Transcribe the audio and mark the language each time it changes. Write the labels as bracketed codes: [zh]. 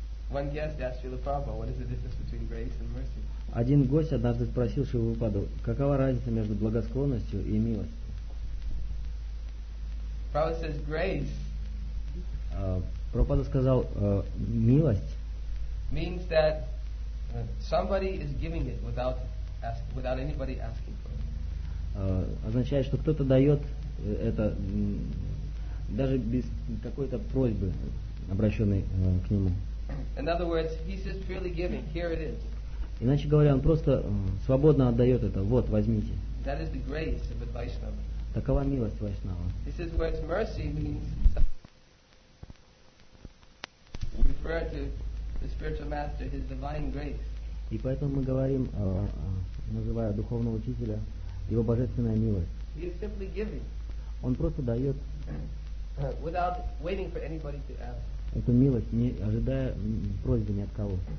[en] One guest asked Srila Prabhupada, "What is the difference between grace and mercy?" [ru] Один гость однажды спросил Шрилу Прабхупаду, какова разница между благосклонностью и милостью. [en] Prabhupada says grace. [ru] Прабхупада сказал, милость. [en] Means that somebody is giving it without without anybody asking for it. [ru] Означает, что кто-то дает это даже без какой-то просьбы, обращенной к нему. [en] In other words, he's just freely giving. Here it is. [ru] Иначе говоря, он просто свободно отдает это. Вот, возьмите. [en] That is the grace of a Vaishnava. [ru] Такова милость Вайшнава. [en] He says the word mercy means refer to the spiritual master, his divine grace. [ru] И поэтому мы говорим, называя духовного учителя, его божественная милость. [en] He is simply giving. [ru] Он просто дает. [en] Without waiting for anybody to ask. [ru] Эту милость, не ожидая просьбы ни от кого.